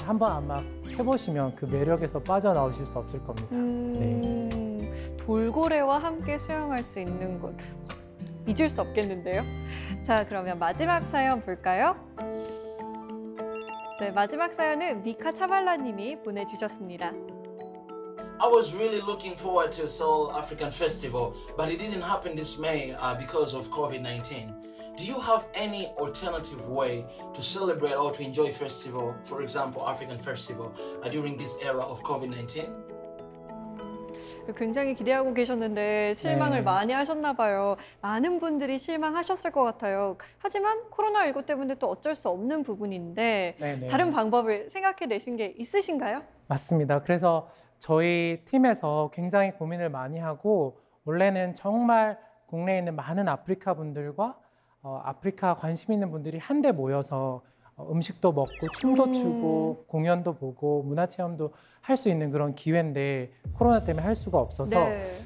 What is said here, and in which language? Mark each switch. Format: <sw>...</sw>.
<ko>한번 아마 해보시면 그 매력에서 빠져나오실 수 없을 겁니다. 네. 돌고래와 함께 수영할 수 있는 곳. 잊을 수 없겠는데요? 자, 그러면 마지막 사연 볼까요? 네, 마지막 사연은 미카 차발라 님이 보내주셨습니다.</ko> <en>I was really looking forward to Seoul African Festival, but it didn't happen this May because of COVID-19. Do you have any alternative way to celebrate or to enjoy festival, for example, African Festival, during this era of COVID-19?</en> <ko>굉장히 기대하고 계셨는데 실망을 네. 많이 하셨나 봐요. 많은 분들이 실망하셨을 것 같아요. 하지만 코로나19 때문에 또 어쩔 수 없는 부분인데 네, 네. 다른 방법을 생각해내신 게 있으신가요? 맞습니다. 그래서 저희 팀에서 굉장히 고민을 많이 하고 원래는 정말 국내에 있는 많은 아프리카 분들과 아프리카 관심 있는 분들이 한데 모여서 음식도 먹고 춤도 추고 공연도 보고 문화체험도 할 수 있는 그런 기회인데 코로나 때문에 할 수가 없어서 네.</ko>